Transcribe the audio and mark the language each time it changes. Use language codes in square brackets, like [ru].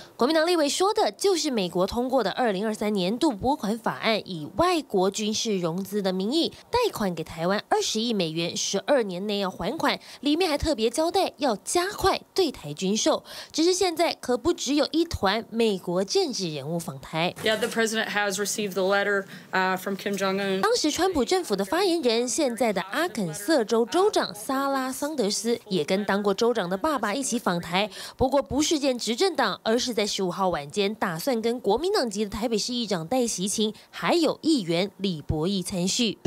[zh] 国民党立委说的就是美国通过的2023年度拨款法案，以外国军事融资的名义贷款给台湾20亿美元，12年内要还款，里面还特别交代要加快对台军售。只是现在可不只有一团美国政治人物访台。 [en] Yeah, the president has received the letter from Kim Jong-un. [zh] 当时川普政府的发言人，现在的阿肯色州州长萨拉桑德斯也跟当过州长的爸爸一起访台，不过不是见执政党，而是在15号晚间，打算跟国民党籍的台北市议长戴锡清，还有议员李博毅参叙。